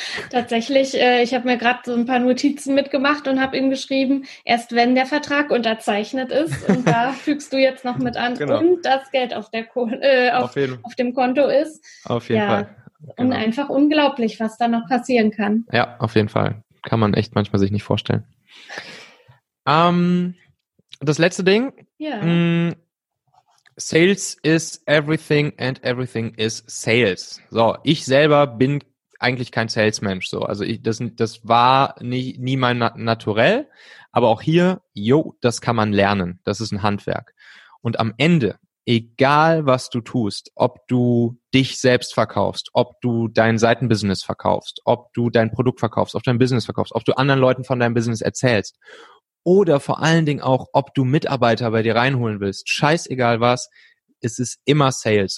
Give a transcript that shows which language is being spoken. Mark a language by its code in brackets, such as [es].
[de] Tatsächlich, ich habe mir gerade so ein paar Notizen mitgemacht und habe ihm geschrieben, erst wenn der Vertrag unterzeichnet ist, und da fügst du jetzt noch mit an, genau. Und das Geld auf dem Konto ist. Auf jeden Fall. Genau. Und einfach unglaublich, was da noch passieren kann. Ja, auf jeden Fall. Kann man echt manchmal sich nicht vorstellen. Das letzte Ding. Ja. [en] Sales is everything and everything is sales. [de] So, ich selber bin eigentlich kein Salesmensch. So, also das war nie mein Naturell. Aber auch hier, das kann man lernen. Das ist ein Handwerk. Und am Ende, egal was du tust, ob du dich selbst verkaufst, ob du dein Seitenbusiness verkaufst, ob du dein Produkt verkaufst, ob du dein Business verkaufst, ob du anderen Leuten von deinem Business erzählst, oder vor allen Dingen auch, ob du Mitarbeiter bei dir reinholen willst, scheißegal was, es ist immer Sales.